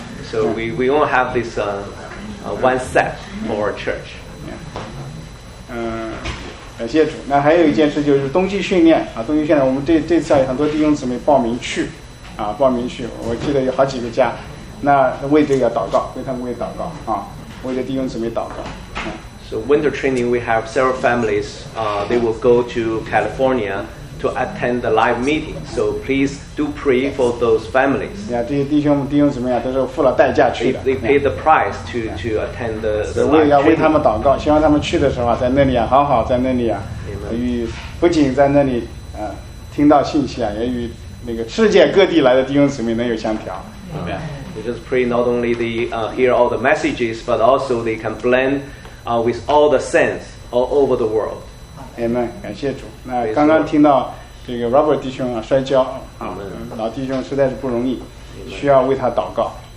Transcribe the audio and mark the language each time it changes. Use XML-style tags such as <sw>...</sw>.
<en>So we won't have this one set for our church.</en> <zh>感谢主。那还有一件事就是冬季训练啊，冬季训练，我们这次很多弟兄姊妹报名去。啊，报名去，我记得有好几个家，那为这个祷告，为他们为祷告啊，为这弟兄姊妹祷告。</zh> <en>So winter training, we have several families. They will go to California to attend the live meeting. So please do pray for those families.</en> <zh>Yeah, 这些弟兄们都是付了代价去的。</zh> <en>They pay the price to, yeah. to attend the live meeting.</en> <zh>所以要为他们祷告，希望他们去的时候啊，在那里啊，好好在那里啊，与不仅在那里啊，听到信息啊，也与那个世界各地来的弟兄姊妹能有相调。</zh> <en>We just pray not only they hear all the messages, but also they can blend with all the saints all over the world.</en> <zh>Amen. 感谢主。那刚刚听到这个 Robert 弟兄啊摔跤啊，老弟兄实在是不容易，需要为他祷告。</zh>